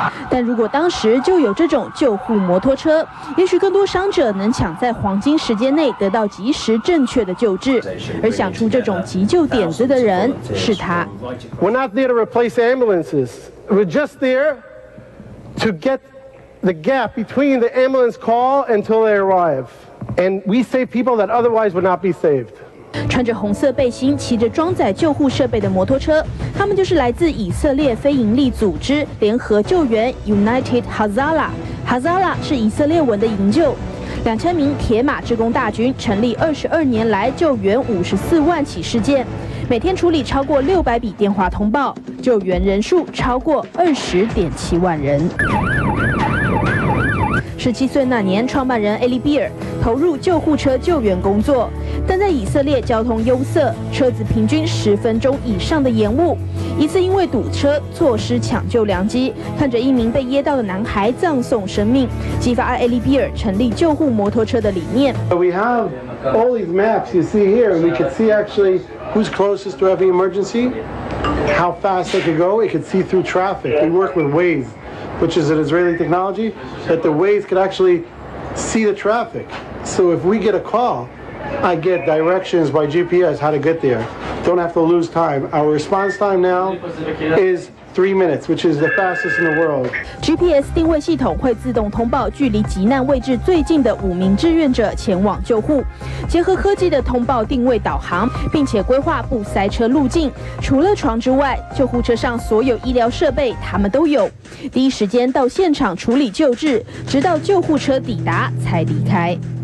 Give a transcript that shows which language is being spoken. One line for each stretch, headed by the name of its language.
Chinese: 但如果当时就有这种救护摩托车，也许更多伤者能抢在黄金时间内得到及时正确的救治。而想出这种急救点子的人是他。
English: We're not there to replace ambulances. We're just there. To get the gap between the ambulance call until they arrive. And we save people that otherwise would not be saved.
Chinese: 穿着红色背心，骑着装载救护设备的摩托车，他们就是来自以色列非营利组织联合救援 United Hazala. Hazala 是以色列文的营救。两千名铁马志工大军成立22年来救援54万起事件，每天处理超过600笔电话通报，救援人数超过20.7万人。 17岁那年，创办人艾利比尔投入救护车救援工作，但在以色列交通拥塞，车子平均10分钟以上的延误，一次因为堵车错失抢救良机，看着一名被噎到的男孩葬送生命，激发艾利比尔成立救护摩托车的理念。
English: We have all these maps you see here, and we could see actually who's closest to having emergency, how fast they could go. It could see through traffic. We work with Waze. Which is an Israeli technology that the Waze could actually see the traffic. So if we get a call, I get directions by GPS how to get there. Don't have to lose time. Our response time now is 3 minutes, which is the fastest in the world.
Chinese: GPS 定位系统会自动通报距离急难位置最近的5名志愿者前往救护。结合科技的通报定位导航，并且规划不塞车路径。除了床之外，救护车上所有医疗设备他们都有。第一时间到现场处理救治，直到救护车抵达才离开。